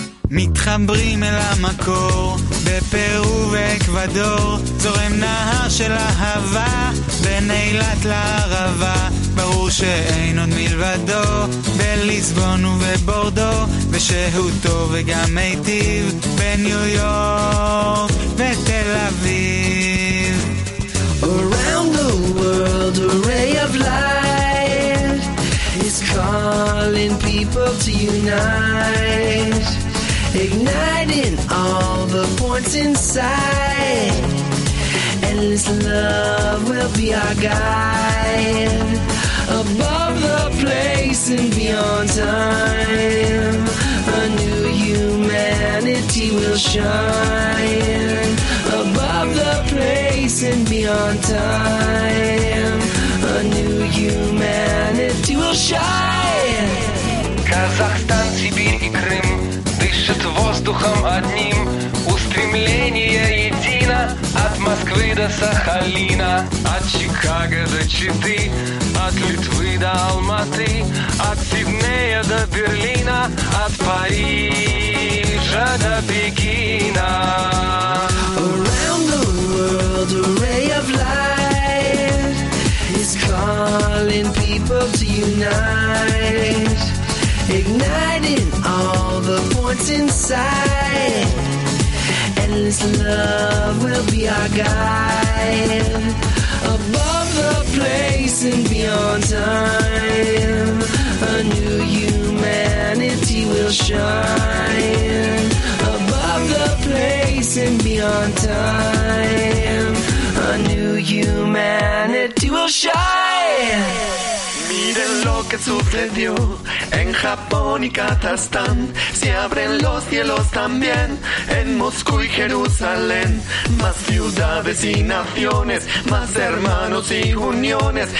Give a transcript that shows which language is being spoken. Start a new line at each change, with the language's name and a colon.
Hebrew: מתחברים אל המקור בפרו ואקוודור זורם נהר של אהבה בין אילת לערבה ברור שאין עוד מלבדו בליסבון ובבורדו ושהותו וגם מיטיב בניו יורק ותל אביב
English: Around the world, a ray of light is calling people to unite, igniting all the points inside. Endless love will be our guide, above the place and beyond time. A new humanity will shine, above the place and beyond time. A new humanity will shine.
Russian: Kazakhstan, Sibir и Крым дышат воздухом одним. Устремление едино от Москвы до Сахалина, от Чикаго до Читы, от Литвы до Алматы, от Сиднея до Берлина, от Парижа до Пекина.
English: Around the world, a ray of light is calling people to unite, igniting all the points inside. Endless love will be our guide, above the place and beyond time. A new humanity will shine, above the place and beyond time. A new humanity will shine.
Spanish: Miren lo que sucedió en Japón y Kazajstán. Se abren los cielos también en Moscú y Jerusalén. Más ciudades y naciones, más hermanos y uniones.